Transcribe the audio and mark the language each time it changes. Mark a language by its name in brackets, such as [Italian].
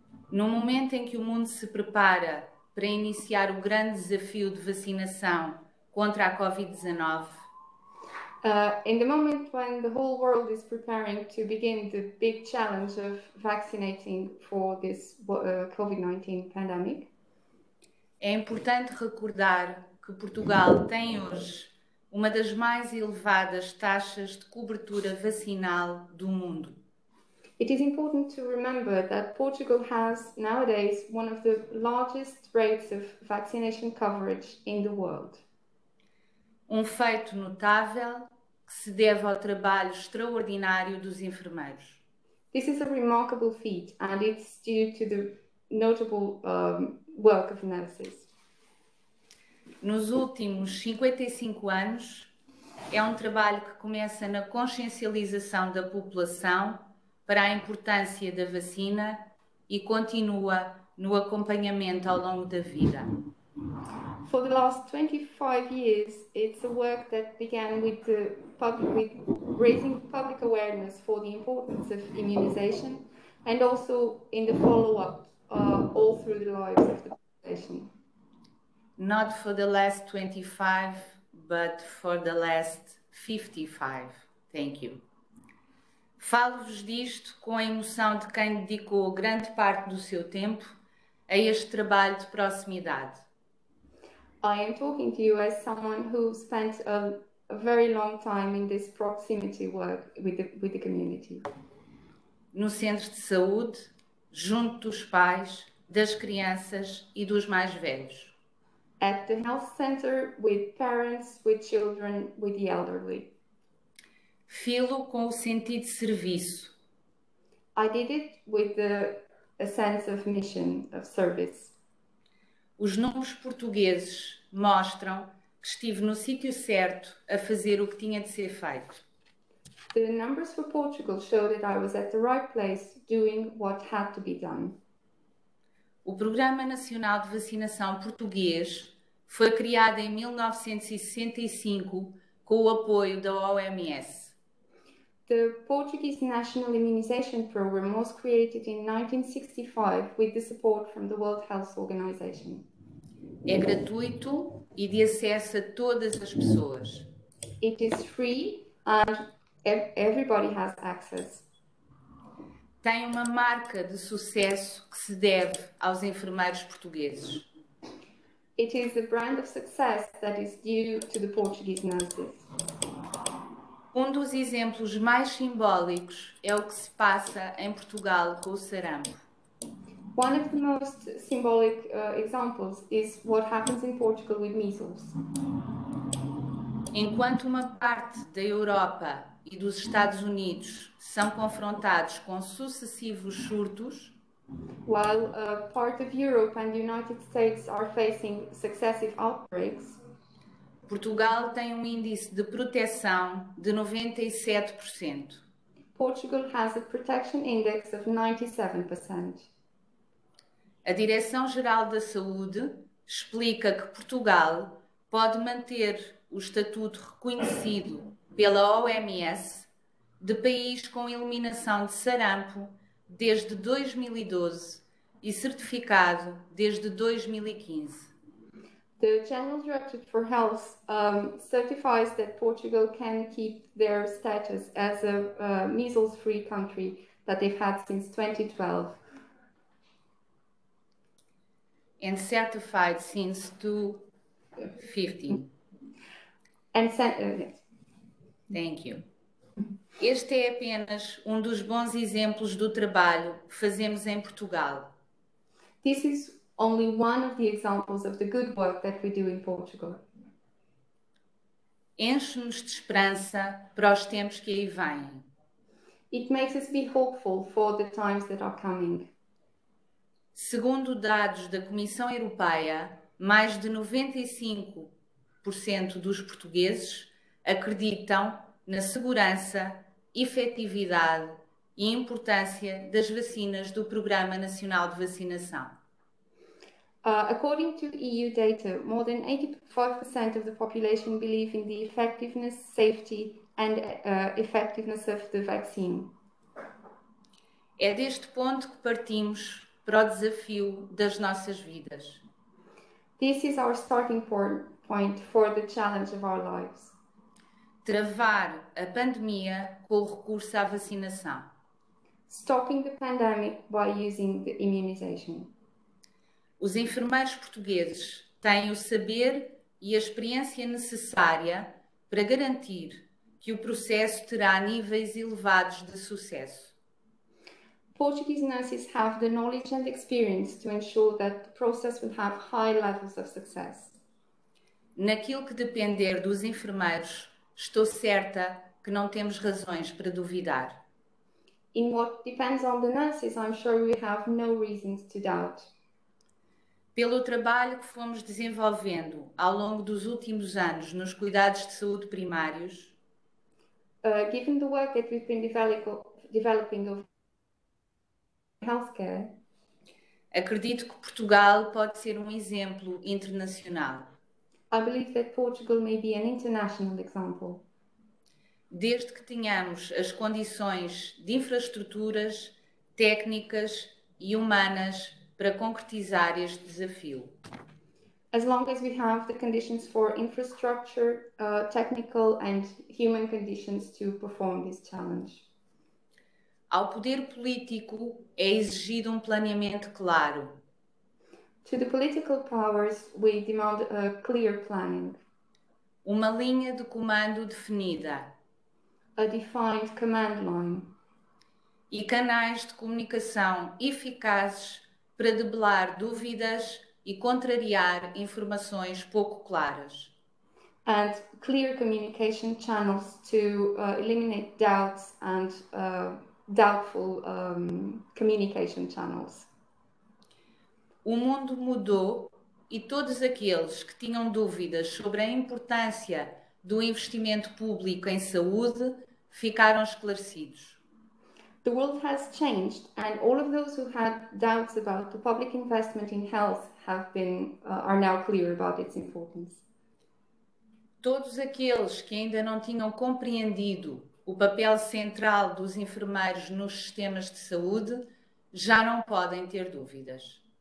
[Portuguese] No momento em que o mundo se prepara para iniciar o grande desafio de vacinação contra a Covid-19, [English] In the moment when the whole world is preparing to begin the big challenge of vaccinating for this COVID-19 pandemic, [Portuguese] é importante recordar que Portugal tem hoje uma das mais elevadas taxas de cobertura vacinal do mundo. [English] It is important to remember that Portugal has nowadays one of the largest rates of vaccination coverage in the world. [Portuguese] Um feito notável que se deve ao trabalho extraordinário dos enfermeiros. [English] This is a remarkable feat and it's due to the notable work of nurses. [Portuguese] Nos últimos 55 anos, é um trabalho que começa na consciencialização da população para a importância da vacina e continua no acompanhamento ao longo da vida. [English] For the last 25 years, it's a work that began with the public, with raising public awareness for the importance of immunization and also in the follow-up all through the lives of the population. Not for the last 25, but for the last 55. Thank you. [Portuguese] Falo-vos disto com a emoção de quem dedicou grande parte do seu tempo a este trabalho de proximidade. [English] I am talking to you as someone who spent a very long time in this proximity work with the community. [Portuguese] No centro de saúde, junto dos pais, das crianças e dos mais velhos. [English] at the health center with parents, with children, with the elderly. [Portuguese] Fê-lo com o sentido de serviço. [English] I did it with a sense of mission, of service. [Portuguese] Os nomes portugueses mostram que estive no sítio certo a fazer o que tinha de ser feito. [English] The numbers for Portugal show that I was at the right place doing what had to be done. [Portuguese] O Programa Nacional de Vacinação Português foi criado em 1965 com o apoio da OMS. [English] The Portuguese National Immunization Program was created in 1965 with the support from the World Health Organization. [Portuguese] É gratuito e de acesso a todas as pessoas. [English] It is free and everybody has access. [Portuguese] Tem uma marca de sucesso que se deve aos enfermeiros portugueses. [English] It is a brand of success that is due to the Portuguese nurses. [Portuguese] Um dos exemplos mais simbólicos é o que se passa em Portugal com o sarampo. [English] One of the most symbolic examples is what happens in Portugal with measles. [Portuguese] Enquanto uma parte da Europa e dos Estados Unidos são confrontados com sucessivos surtos, [English] while a part of Europe and the United States are facing successive outbreaks, [Portuguese] Portugal tem um índice de proteção de 97%. [English] Portugal has a protection index of 97%. [Portuguese] A Direção-Geral da Saúde explica que Portugal pode manter o estatuto reconhecido pela OMS de país com eliminação de sarampo desde 2012 e certificado desde 2015. [English] The General Directorate for Health certifies that Portugal can keep their status as a measles-free country that they've had since 2012. And certified since 2015. Thank you. [Portuguese] Este é apenas um dos bons exemplos do trabalho que fazemos em Portugal. [English] This is only one of the examples of the good work that we do in Portugal. [Portuguese] Enche-nos de esperança para os tempos que aí vêm. [English] It makes us be hopeful for the times that are coming. [Portuguese] Segundo dados da Comissão Europeia, mais de 95% dos portugueses acreditam na segurança, efetividade e importância das vacinas do Programa Nacional de Vacinação. [English] According to EU data, more than 85% of the population believe in the effectiveness, safety and effectiveness of the vaccine. [Portuguese] É deste ponto que partimos para o desafio das nossas vidas. [English] This is our starting point for the challenge of our lives. [Portuguese] Travar a pandemia com o recurso à vacinação. [English] Stopping the pandemic by using the immunization. [Portuguese] Os enfermeiros portugueses têm o saber e a experiência necessária para garantir que o processo terá níveis elevados de sucesso. [English] Portuguese nurses have the knowledge and experience to ensure that the process will have high levels of success. [Portuguese] Naquilo que depender dos enfermeiros, estou certa que não temos razões para duvidar. [English] In what depends on the nurses, I'm sure we have no reasons to doubt. [Portuguese] Pelo trabalho que fomos desenvolvendo ao longo dos últimos anos nos cuidados de saúde primários, [English] given the work that we've been developing of healthcare, [Portuguese] acredito que Portugal pode ser um exemplo internacional. [English] I believe that Portugal may be an international example. [Portuguese] Desde que tenhamos as condições de infraestruturas, técnicas e humanas para concretizar este desafio. [English] As long as we have the conditions for infrastructure, technical and human conditions to perform this challenge. [Portuguese] Ao poder político é exigido um planeamento claro. [English] To the political powers, we demand a clear planning. [Portuguese] Uma linha de comando definida. [English] A defined command line. [Portuguese] E canais de comunicação eficazes para debelar dúvidas e contrariar informações pouco claras. [English] And clear communication channels to eliminate doubts and doubtful communication channels. [Portuguese] O mundo mudou e todos aqueles que tinham dúvidas sobre a importância do investimento público em saúde ficaram esclarecidos. [English] The world has changed, and all of those who had doubts about the public investment in health have been are now clear about its importance. [Portuguese] Todos aqueles que ainda não tinham compreendido o papel central dos enfermeiros nos sistemas de saúde já não podem ter dúvidas.